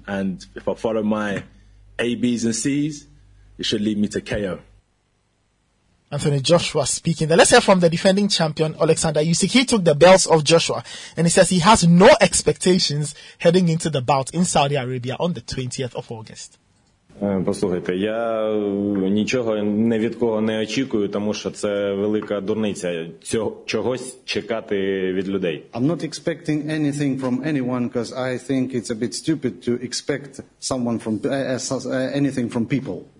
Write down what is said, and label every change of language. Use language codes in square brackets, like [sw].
[en] And if I follow my A, Bs and Cs, it should lead me to KO. Anthony Joshua speaking. Then let's hear from the defending champion, Alexander Usyk. He took the belts of Joshua, and he says he has no expectations heading into the bout in Saudi Arabia on the 20th of August. [uk] Послухайте, я нічого ні від кого не очікую, тому що це велика дурниця чогось чекати від людей. [en] I'm not expecting anything from anyone because I think it's a bit stupid to expect someone from anything from people.